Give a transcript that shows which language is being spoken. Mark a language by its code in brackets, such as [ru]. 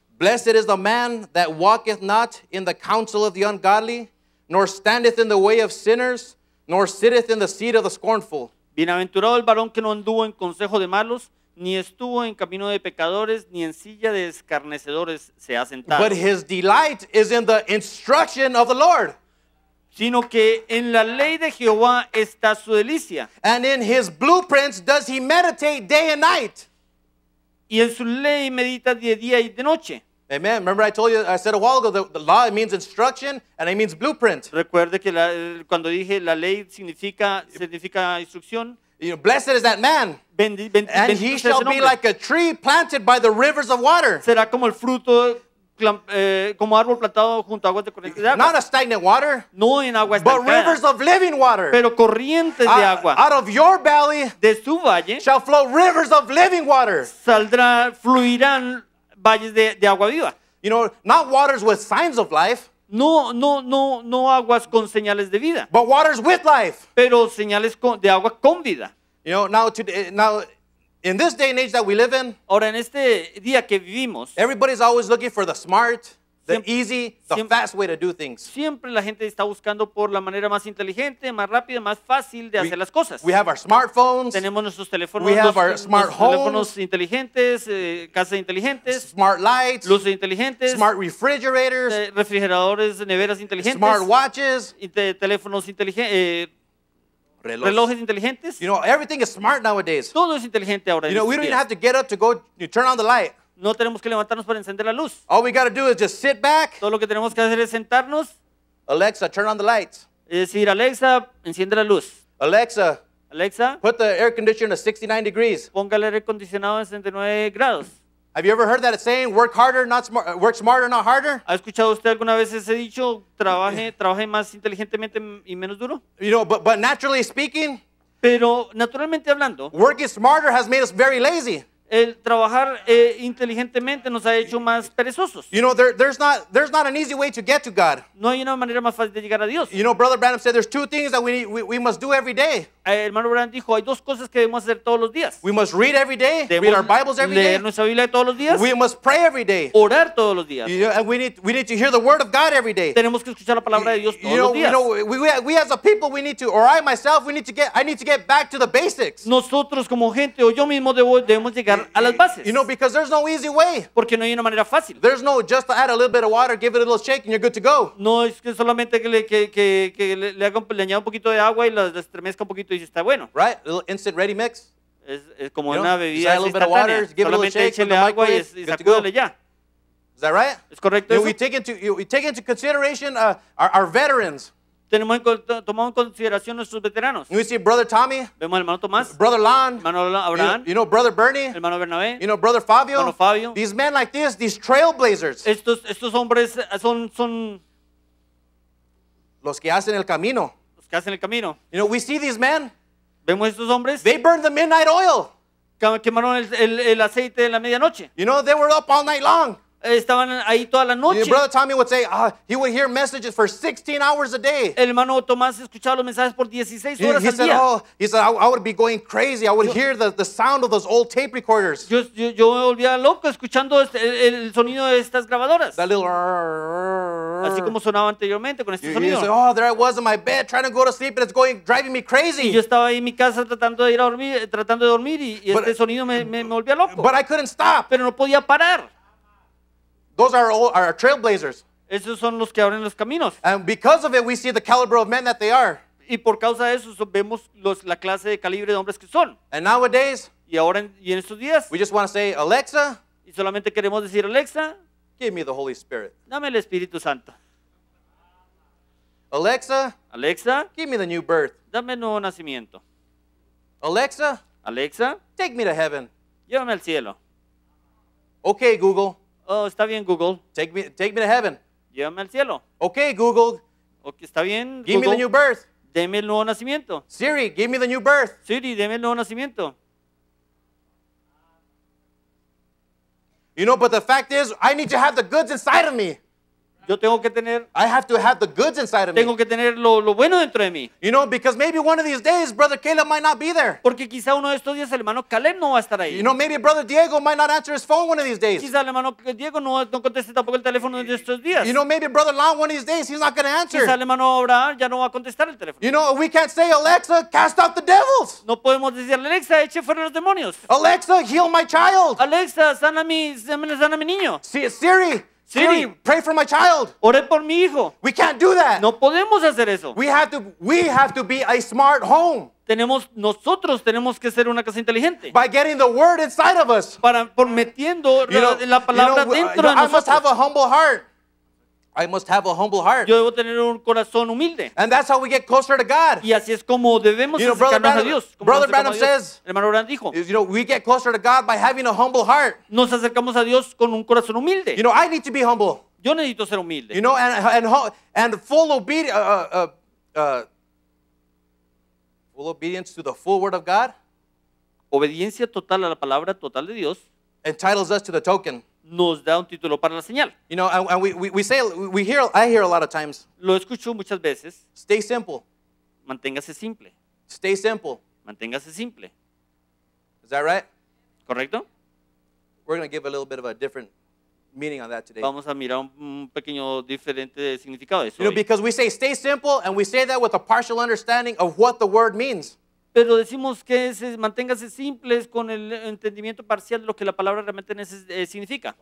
[en] Blessed is the man that walketh not in the counsel of the ungodly, nor standeth in the way of sinners, nor sitteth in the seat of the scornful. [es] Bienaventurado el varón que no anduvo en consejo de malos, ni estuvo en camino de pecadores, ni en silla de escarnecedores se ha sentado. [en] But his delight is in the instruction of the Lord. [es] Sino que en la ley de Jehová está su delicia. [en] And in his blueprints does he meditate day and night. [es] Y en su ley medita de día y de noche. [en] Amen. Remember I told you, I said a while ago, the law, it means instruction, and it means blueprint. [es] Recuerde que cuando dije la ley significa instrucción. [en] You know, blessed is that man. And he shall be like a tree planted by the rivers of water. [es] Será como el fruto, como árbol plantado junto a aguas de corriente de agua. [en] Not a stagnant water. [es] No en agua estancada. [en] But rivers of living water. [es] Pero corrientes de agua. [en] Out of your belly. [es] De su valle. [en] Shall flow rivers of living water. [es] Saldrá, fluirán. Valles de agua viva. [en] You know, not waters with signs of life. [es] No aguas con señales de vida. [en] But waters with life. [es] Pero señales de agua con vida. [en] You know, now in this day and age that we live in. [es] Ahora en este día que vivimos. [en] Everybody's always looking for the smart, the easy, the fast way to do things. [es] Siempre la gente está buscando por la manera más inteligente, más rápida, más fácil de hacer las cosas. [en] We have our smartphones. [es] Tenemos nuestros teléfonos. [en] We have our smart homes. [es] Teléfonos inteligentes, casas inteligentes. [en] Smart lights. [es] Luces inteligentes. [en] Smart refrigerators. [es] Refrigeradores, neveras inteligentes. [en] Smart watches. [es] Teléfonos inteligentes. Relojes inteligentes. [en] You know, everything is smart nowadays. [es] Todo es inteligente ahora. [en] You know, we don't even have to get up to go turn on the light. [es] No tenemos que levantarnos para encender la luz. [en] All we got to do is just sit back. [es] Todo lo que tenemos que hacer es sentarnos. [en] Alexa, turn on the lights. [es] Es decir, Alexa, enciende la luz. [en] Alexa, put the air conditioner to 69 degrees. [es] Póngale el aire acondicionado a 69 grados. [en] Have you ever heard that saying, work harder, not smart, work smarter, not harder? [es] ¿Ha escuchado usted alguna vez ese dicho, trabaje más inteligentemente y menos duro? [en] You know, but naturally speaking, [es] pero naturalmente hablando, [en] working smarter has made us very lazy. [es] El trabajar inteligentemente nos ha hecho más perezosos. [en] You know, there's not an easy way to get to God. [es] No hay una manera más fácil de llegar a Dios. [en] You know, Brother Branham said there's two things that we must do every day. [es] Hermano Branham dijo, hay dos cosas que debemos hacer todos los días. [en] We must read every day, read our Bibles every day. [es] Leer nuestra Biblia todos los días. [en] We must pray every day. [es] Orar todos los días. [en] You know, and we need to hear the Word of God every day. [es] Tenemos que escuchar la palabra de Dios todos los días. [en] You know, we as a people, I need to get back to the basics. [es] Nosotros como gente o yo mismo debemos llegar a las bases. [en] You know, because there's no easy way. [es] Porque no hay una manera fácil. [en] There's no just to add a little bit of water, give it a little shake, and you're good to go. [es] No es que solamente que le haga le añada un poquito de agua y las estremezca un poquito y está bueno. [en] Right, a little instant ready mix. [es] Es como una bebida instantánea. Solamente échale agua y sacúdale ya. [en] Is that right? [es] Es correcto. [en] You know, we take into consideration our veterans. [es] Tenemos tomamos en consideración nuestros veteranos. [en] We see Brother Tommy. [es] Vemos al hermano Tomás. [en] Brother Lon. [es] Hermano Abraham. [en] You know Brother Bernie. [es] Hermano Bernabé. [en] You know Brother Fabio. [es] Hermano Fabio. [en] These men like this, these trailblazers. [es] Estos hombres son los que hacen el camino. Los que hacen el camino. [en] You know, we see these men. [es] Vemos estos hombres. [en] They burn the midnight oil. [es] Quemaron el aceite en la medianoche. [en] You know, they were up all night long. [es] Estaban ahí toda la noche. [en] Brother Tommy would say he would hear messages for 16 hours a day. [es] El hermano Tomás escuchaba los mensajes por 16 horas al día. [en] He said I would be going crazy. I would hear the sound of those old tape recorders. [es] Yo me volvía loco escuchando el sonido de estas grabadoras. [en] That little [es] así como sonaba anteriormente con este sonido. [en] He said, there I was in my bed trying to go to sleep and it's going driving me crazy. [es] Yo estaba ahí en mi casa tratando de ir a dormir, y este sonido me volvía loco. [en] But I couldn't stop. [es] Pero no podía parar. [en] Those are all our trailblazers. [es] Esos son los que abren los caminos. [en] And because of it, we see the caliber of men that they are. [es] Y por causa de eso vemos la clase de calibre de hombres que son. [en] And nowadays, [es] y ahora y en estos días, [en] we just want to say, Alexa. [es] Y solamente queremos decir, Alexa. [en] Give me the Holy Spirit. [es] Dame el Espíritu Santo. [en] Alexa. [es] Alexa. [en] Give me the new birth. [es] Dame el nuevo nacimiento. [en] Alexa. [es] Alexa. [en] Take me to heaven. [es] Llévame al cielo. [en] Okay, Google. [es] Oh, está bien, Google. [en] Take me to heaven. [es] Llévame al cielo. [en] Okay, Google. [es] Okay, está bien, [en] Google. Give me the new birth. [es] Deme el nuevo nacimiento. [en] Siri, give me the new birth. [es] Siri, deme el nuevo nacimiento. [en] You know, but the fact is, I need to have the goods inside of me. [es] Yo tengo que tener, [en] I have to have the goods inside of [es] tengo [en] me. [es] Que tener lo bueno dentro de mí. [en] You know, because maybe one of these days, Brother Caleb might not be there. [es] Porque quizá uno de estos días, el hermano Caleb no va a estar ahí. [en] You know, maybe Brother Diego might not answer his phone one of these days. [es] Quizá el hermano Diego no conteste tampoco el teléfono de estos días. [en] You know, maybe Brother Lon one of these days, he's not going to answer. [es] Quizá el hermano Abraham ya no va a contestar el teléfono. [en] You know, we can't say, Alexa, cast out the devils. [es] No podemos decirle, Alexa, eche fuera los demonios. [en] Alexa, heal my child. [es] Alexa, sana mi niño. [en] Siri, pray for my child. [es] Ore por mi hijo. [en] We can't do that. [es] No podemos hacer eso. [en] We have to be a smart home. [es] Nosotros tenemos que ser una casa inteligente. [en] By getting the word inside of us. [es] Por metiendo la palabra dentro de nosotros. [en] I must have a humble heart. I must have a humble heart. [es] Yo debo tener un corazón humilde. [en] And that's how we get closer to God. [es] Y así es como debemos acercarnos a Dios. [en] Brother Branham says, [es] hermano Branham dijo, [en] you know, we get closer to God by having a humble heart. [es] Nos acercamos a Dios con un corazón humilde. [en] You know, I need to be humble. [es] Yo necesito ser humilde. [en] You know, and full obedience, full obedience to the full word of God. [es] Obediencia total a la palabra total de Dios. [en] Entitles us to the token. [es] Nos da un título para la señal. [en] You know, and I hear a lot of times. [es] Lo escucho muchas veces. [en] Stay simple. [es] Manténgase simple. [en] Stay simple. [es] Manténgase simple. [en] Is that right? [es] ¿Correcto? [en] We're going to give a little bit of a different meaning on that today. [es] Vamos a mirar un pequeño diferente significado de eso. [en] You know, because we say stay simple and we say that with a partial understanding of what the word means. [es] Pero decimos que manténgase simples con el entendimiento parcial de lo que la palabra realmente significa.